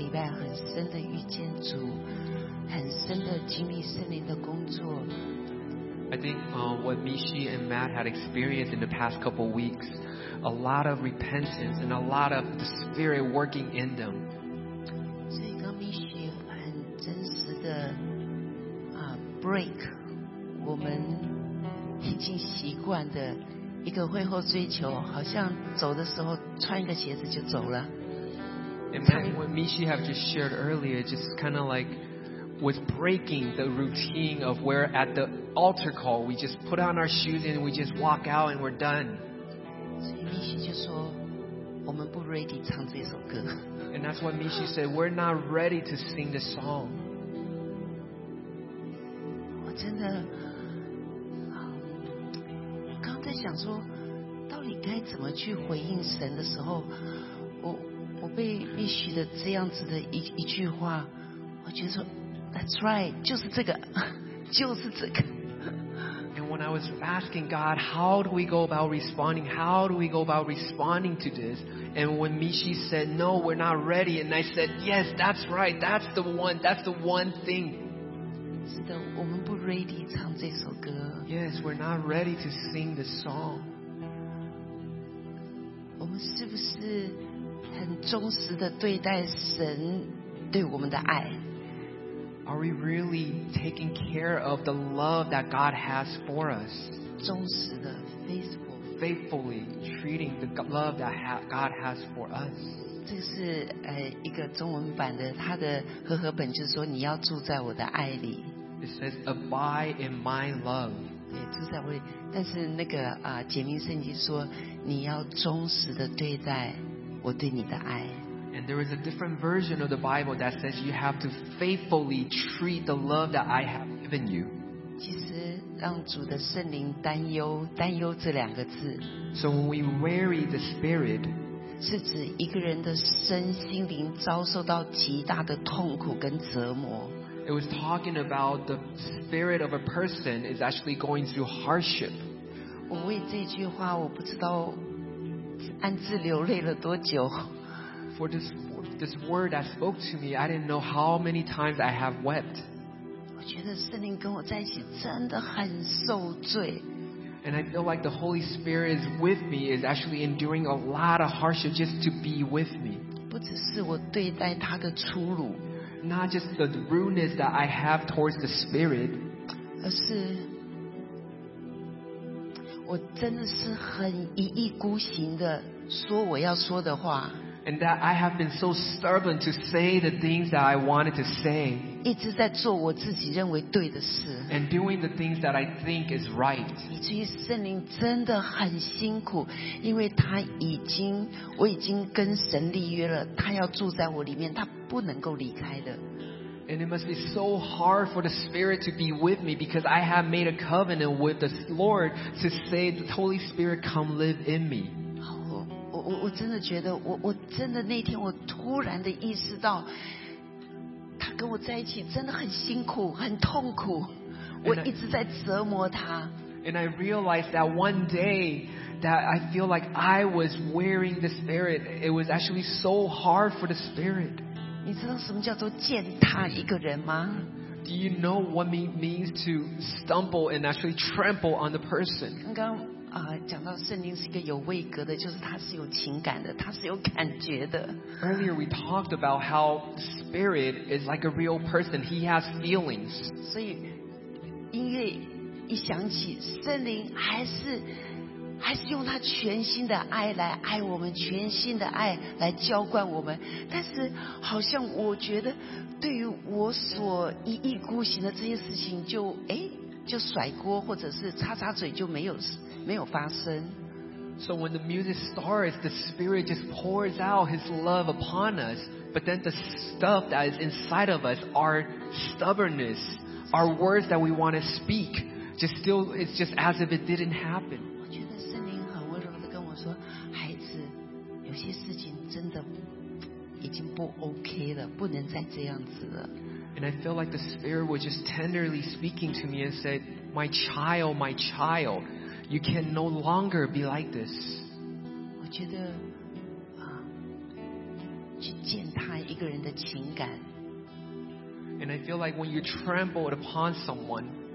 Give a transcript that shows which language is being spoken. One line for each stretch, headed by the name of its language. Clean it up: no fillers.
Chinese: 很深的遇见主，很深的经历圣灵的工作。
English: I think、what Mishi and Matt had experienced in the past couple weeks, a lot of repentance and a lot of the Spirit working in them.
Chinese: 所以跟 Mishi 很真实的、break 我们已经习惯的一个会后追求，好像走的时候穿一个鞋子就走了。
English: And Matt, what Mishi have just shared earlier, just kind of like was breaking the routine of where at the altar call we just put on our shoes and we just walk out and we're done.
Chinese: 所以 Mishi 就说我们不 ready 唱这首歌。
English: And that's what Mishi said, we're not ready to sing the song.
Chinese: 我真的想说到底该怎么去回应神的时候， 我被必须的这样子的 一句话，我觉得说
English: That's right，
Chinese: 就是这个，就是这个。
English: And when I was asking God how do we go about responding, how do we go about responding to this, and when Mishi said no we're not ready, and I said yes that's right, that's the one, that's the one thing。
Chinese: 是的，我们不 ready 唱这首歌。
English: Yes, we're not ready to sing the song.
Chinese: 我们是不是很忠实的对待神对我们的爱？
English: Are we really taking care of the love that God has for us?
Chinese: 忠实的 faithful.
English: Faithfully treating the love that God has for us.
Chinese: 这是一个中文版的，它的和合本就是说你要住在我的爱里。
English: It says abide in my love.
Chinese: 对，住在我里。但是那个解明圣经说你要忠实的对待我对你的爱。
English: And there is a different version of the Bible that says you have to faithfully treat the love that I have given you.
Chinese: 其实让主的圣灵担忧，担忧这两个字。
English: So when we worry the Spirit.
Chinese: 是指一个人的身心灵遭受到极大的痛苦跟折磨。
English: It was talking about the spirit of a person is actually going through hardship.
Chinese: 我为这句话我不知道暗自流泪了多久。
English: For this word that spoke to me, I didn't know how many times I have wept.
Chinese: 我觉得圣灵跟我在一起真的很受罪。
English: And I feel like the Holy Spirit is with me, is actually enduring a lot of hardship just to be with me.
Chinese: 不只是我对待他的粗鲁，
English: Not just the rudeness that I have towards the Spirit.
Chinese: 而是我真的是很一意孤行的说我要说的话。
English: And that I have been so stubborn to say the things that I wanted to say.
Chinese: 一直在做我自己认为对的事。
English: And doing the things that I think is right.
Chinese: 以至于圣灵真的很辛苦，因为他已经，我已经跟神立约了，他要住在我里面，他不能够离开的。
English: And it must be so hard for the Spirit to be with me because I have made a covenant with the Lord to say, the Holy Spirit, come live in me.
Chinese: 我真的觉得我真的那天我突然的意识到他跟我在一起真的很辛苦很痛苦，我一直在折磨他。
English: And I realized that one day that I feel like I was wearing the Spirit, it was actually so hard for the Spirit.
Chinese: 你知道什么叫做践踏一个人吗？
English: Do you know what it means to stumble and actually trample on the person?
Chinese: 刚刚讲到圣灵是一个有位格的，就是它是有情感的，它是有感觉的。
English: Earlier we talked about how spirit is like a real person. He has feelings.
Chinese: 所以音乐一响起，圣灵还是用他全新的爱来爱我们，全新的爱来浇灌我们。但是好像我觉得，对于我所一意孤行的这些事情就，就甩锅，或者是擦擦嘴就没有事。没有发生。
English: So when the music starts, the Spirit just pours out His love upon us, but then the stuff that is inside of us, our stubbornness, our words that we want to speak, just still, it's just as if it didn't happen.
Chinese: 我觉得圣灵很温柔地跟我说，孩子，有些事情真的已经不 OK 了，不能再这样子了。
English: And I feel like the Spirit was just tenderly speaking to me and said, my child, my child,You can no longer be like this.
Chinese: 我觉得去践踏一个人的情感。
English: And I feel like when you trembled upon someone,